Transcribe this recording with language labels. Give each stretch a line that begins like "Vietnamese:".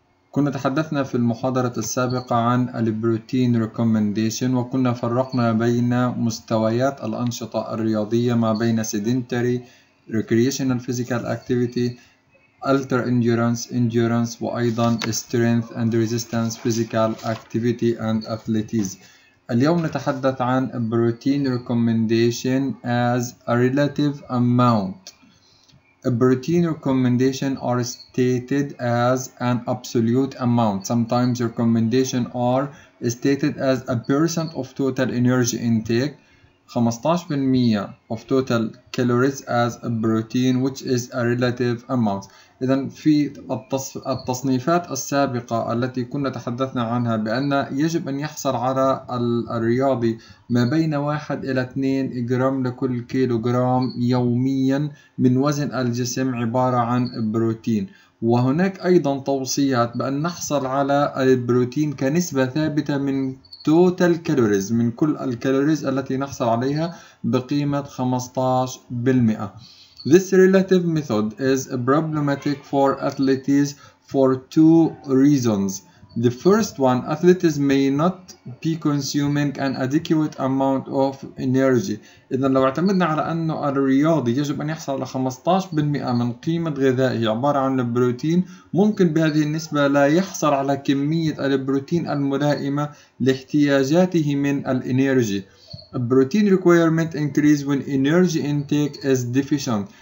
Arabic: كنا تحدثنا في المحاضرة السابقة عن البروتين Recommendation، وكنا فرقنا بين مستويات الأنشطة الرياضية ما بين
English: Sedentary Recreational Physical Activity، Ultra Endurance،
Arabic: Endurance، وأيضا
English: Strength and Resistance Physical Activity and Athletes.
Arabic: اليوم نتحدث عن
English: Protein Recommendation as a Relative Amount. Protein Recommendation are stated as an Absolute Amount. Sometimes Recommendation are stated as a Percent of Total Energy Intake. 15% of total calories as a protein, which is a relative amount.
Arabic: إذن في التصنيفات السابقة التي كنا تحدثنا عنها بأن يجب أن يحصل على الرياضي ما بين 1 إلى 2 جرام لكل كيلو جرام يوميا من وزن الجسم عبارة عن بروتين، وهناك أيضا توصيات بأن نحصل على البروتين كنسبة ثابتة من
English: total calories،
Arabic: من كل الكالوريز التي نحصل عليها بقيمة 15%.
English: This relative method is problematic for athletes for two reasons. The first one, athletes may not be consuming an adequate amount of energy.
Arabic: إذا لو اعتمدنا على أنه الرياضي يجب أن يحصل على 15% من قيمة غذائه عبارة عن البروتين، ممكن بهذه النسبة لا يحصل على كمية البروتين الملائمة لاحتياجاته من الإنرجي.
English: Protein requirement increase when energy intake is deficient.